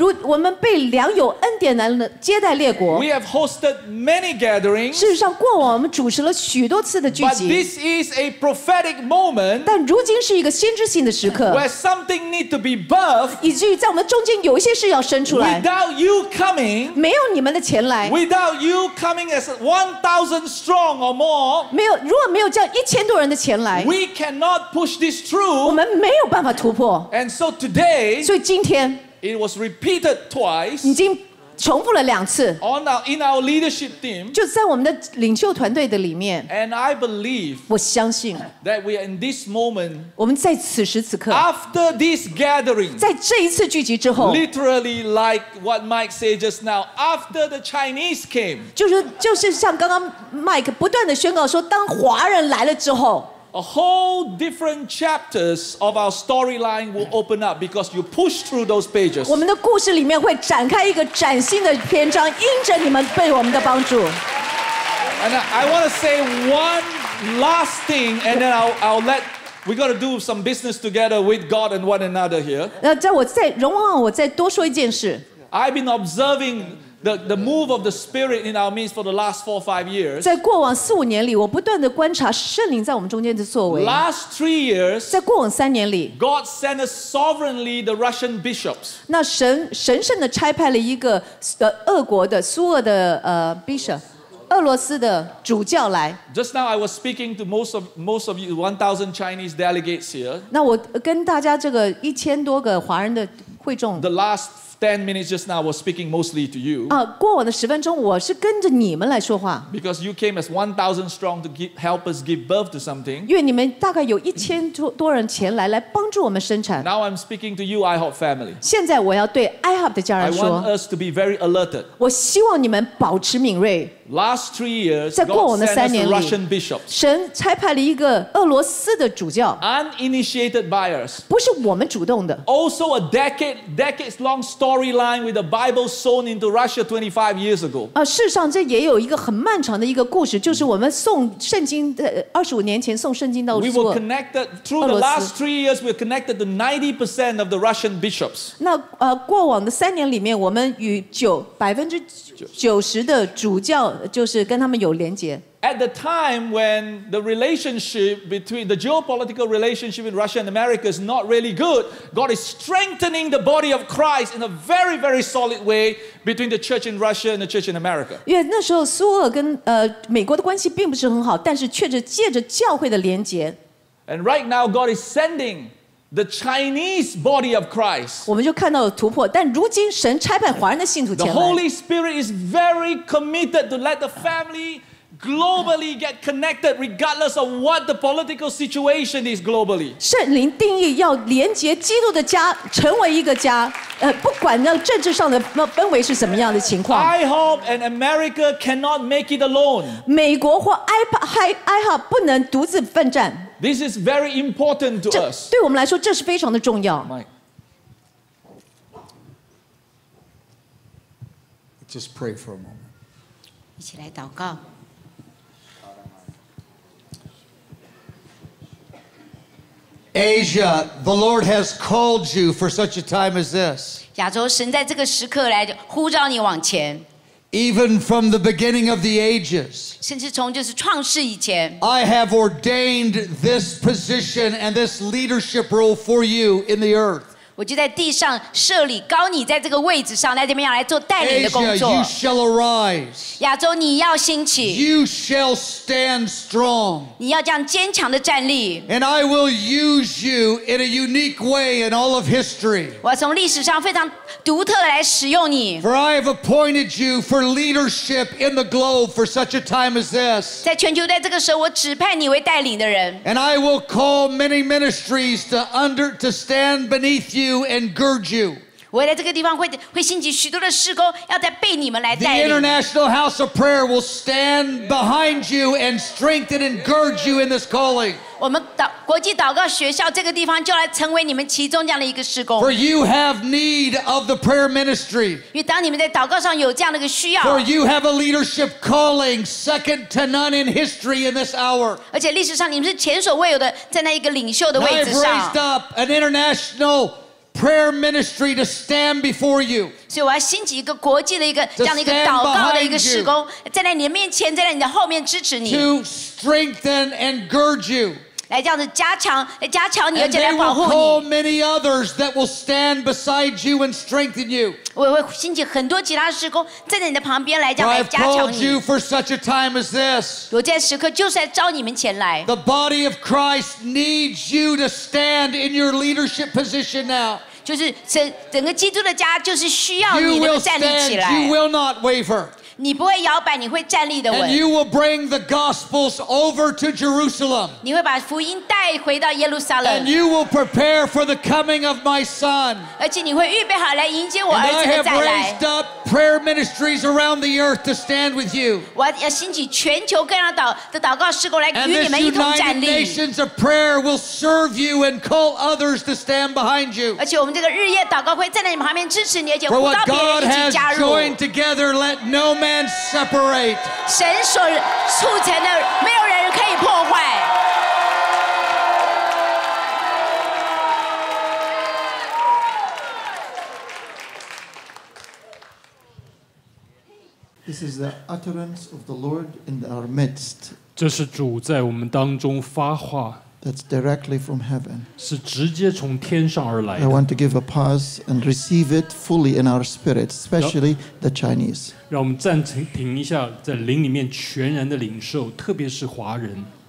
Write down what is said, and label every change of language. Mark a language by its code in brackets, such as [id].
[zh] 我们被良有恩典来接待列国 [en] We have hosted many gatherings [zh] 事实上过往我们主持了许多次的聚集 [en] But this is a prophetic moment [zh] 但如今是一个先知性的时刻 [en] Where something need to be birthed [zh] 以至于在我们中间有一些事要生出来 [en] Without you coming [zh] 没有你们的前来 [en] Without you coming as 1,000 strong or more [zh] 没有如果没有这样一千多人的前来 [en] We cannot push this through [zh] 我们没有办法突破 [en] And so today [zh] 所以今天 [en] It was repeated twice [zh] 已经重复了两次 [en] in our leadership team, [zh] 就在我们的领袖团队的里面 [en] and I believe [zh] 我相信 [en] that we are in this moment, [zh] 我们在此时此刻 [en] after this gathering, [zh] 在这一次聚集之后 [en] literally like what Mike said just now after the Chinese came [zh] 就是像刚刚 Mike 不断的宣告说当华人来了之后 [en] A whole different chapters of our storyline will open up because you push through those pages. [zh] 我们的故事里面会展开一个崭新的篇章，因着你们被我们的帮助。 [en] And I want to say one last thing, and then I'll let we got to do some business together with God and one another here. [zh] 那在我再容忘我再多说一件事。 [en] I've been observing. The move of the Spirit in our midst for the last 4 or 5 years. [zh] 在过往四五年里，我不断的观察圣灵在我们中间的作为。 [en] Last 3 years. [zh] 在过往三年里 [en] ，God sent us sovereignly the Russian bishops. [zh] 那神圣的差派了一个俄国的苏俄的bishop， 俄罗斯的主教来。 [en] Just now I was speaking to most of you 1,000 Chinese delegates here. [zh] 那我跟大家这个一千多个华人的会众。 [en] The last 10 minutes just now was speaking mostly to you. [zh] 过往的十分钟我是跟着你们来说话。 [en] Because you came as 1,000 strong to help us give birth to something. [zh] 因为你们大概有一千多人前来来帮助我们生产。 [en] Now I'm speaking to you, IHOP family. [zh] 现在我要对 IHOP 的家人说。 [en] I want us to be very alerted. [zh] 我希望你们保持敏锐。 [en] Last 3 years, [zh] 在过往的三年里 [en] Russian bishops. [zh] 神差派了一个俄罗斯的主教。 [en] Uninitiated by us. [zh] 不是我们主动的。 [en] Also a decades long story. Storyline with the Bible sown into Russia 25 years ago. [zh] 事实上这也有一个很漫长的一个故事，就是我们送圣经的25年前送圣经到俄罗斯。 [en] We were connected through the last 3 years. We were connected to 90% of the Russian bishops. [zh] 那过往的三年里面，我们与90%的主教就是跟他们有连结。 [en] At the time when the relationship between the geopolitical relationship in Russia and America is not really good, God is strengthening the body of Christ in a very, very solid way between the church in Russia and the church in America. [zh] 因为那时候苏俄跟美国的关系并不是很好，但是却是借着教会的连结。 [en] And right now, God is sending the Chinese body of Christ. [zh] 我们就看到了突破，但如今神差派华人的信徒前来。 [en] The Holy Spirit is very committed to let the family. Globally get connected regardless of what the political situation is globally. [zh] 圣灵定义要连接基督的家成为一个家不管那政治上的氛围是什么样的情况。 [en] IHOP and America cannot make it alone. [zh] 美国或 IHOP 不能独自奋战。 [en] This is very important to us. [zh] 对我们来说这是非常的重要。 [en] Mike. Just pray for a moment. [zh] 一起来祷告。 [en] Asia, the Lord has called you for such a time as this. [zh] 亚洲，神在这个时刻来呼召你往前。 [en] Even from the beginning of the ages. [zh] 甚至从就是创世以前。 [en] I have ordained this position and this leadership role for you in the earth. [zh] 我就在地上设立高你在这个位置上来怎么样来做带领的工作。 [en] Asia, you shall arise. [zh] 亚洲，你要兴起。 [en] You shall stand strong. [zh] 你要这样坚强的站立。 [en] And I will use you in a unique way in all of history. [zh] 我从历史上非常独特来使用你。 [en] For I have appointed you for leadership in the globe for such a time as this. [zh] 在全球在这个时候，我指派你为带领的人。 [en] And I will call many ministries to stand beneath. You and gird you. [zh] 我在这个地方会兴起许多的事工，要在被你们来带领。 [en] The International House of Prayer will stand behind you and strengthen and gird you in this calling. [zh] 我们祷国际祷告学校这个地方就来成为你们其中这样的一个事工。 [en] For you have need of the prayer ministry. [zh] 因为当你们在祷告上有这样的一个需要。 [en] For you have a leadership calling second to none in history in this hour. [zh] 而且历史上你们是前所未有的站在一个领袖的位置上。 [en] I've raised up an international prayer ministry to stand before you. [zh] 所以我要兴起一个国际的一个这样的一个祷告的一个事工，站在你的面前，站在你的后面支持你。 [en] To strengthen and gird you. [zh] 来这样子加强，来加强你，而且来保护你。 [en] And they will call many others that will stand beside you and strengthen you. [zh] 我会兴起很多其他事工站在你的旁边来这样来加强你。 [en] I called you for such a time as this. [zh] 我在时刻就是来召你们前来。 [en] The body of Christ needs you to stand in your leadership position now. [zh] 就是整个基督的家就是需要你能站立起来。 [en] You will not waver. [zh] 你不会摇摆，你会站立的稳。 [en] And you will bring the gospels over to Jerusalem. [zh] 你会把福音带回到耶路撒冷。 [en] And you will prepare for the coming of my son. [zh] 而且你会预备好来迎接我儿子的再来。 [en] And I have raised up prayer ministries around the earth to stand with you. [zh] 我要兴起全球各样的祷告事工来与你们一同站立。 [en] And this United Nations of Prayer will serve you and call others to stand behind you. [zh] 而且我们这个日夜祷告会站在你们旁边支持你，而且呼召别人一起加入。 [en] For what God has joined together, let no man separate. [zh] 神所促成的，没有人可以破坏。 [en] This is the utterance of the Lord in our midst. [zh] 这是主在我们当中发话。 [en] That's directly from heaven. [zh] 是直接从天上而来的。 [en] I want to give a pause and receive it fully in our spirit, especially the Chinese. [zh] 让我们暂停一下，在灵里面全然的领受，特别是华人。